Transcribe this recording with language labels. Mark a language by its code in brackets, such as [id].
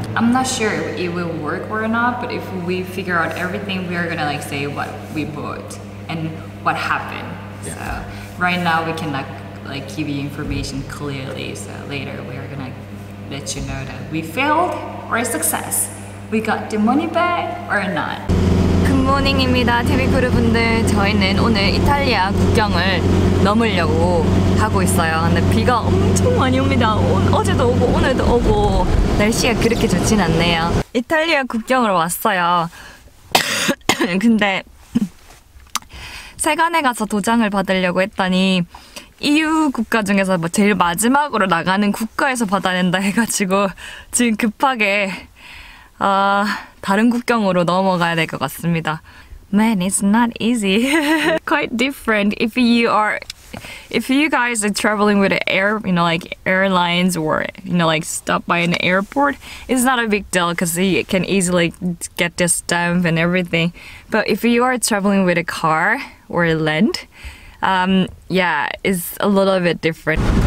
[en] I'm not sure if it will work or not, but if we figure out everything, we are gonna like say what we bought and what happened. Yeah. So right now we can like give you information clearly, so later we are gonna let you know that we failed or a success. We got the money back or not. Good morning [ko] 입니다, TV 크루분들. 저희는 오늘 이탈리아 국경을 넘으려고 하고 있어요. 근데 비가 엄청 많이 옵니다. 어제도 오고 오늘도 오고 날씨가 그렇게 좋진 않네요. 이탈리아 국경으로 왔어요. 근데 세관에 가서 도장을 받으려고 했더니 EU 국가 중에서 뭐 제일 마지막으로 나가는 국가에서 받아낸다 해가지고 지금 급하게 다른 국경으로 넘어가야 될 것 같습니다. [en] Man, it's not easy. Quite different if you guys are traveling with an air, you know, like airlines or, you know, like stop by an airport, it's not a big deal because you can easily get the stamp and everything. But if you are traveling with a car or a land, yeah, it's a little bit different.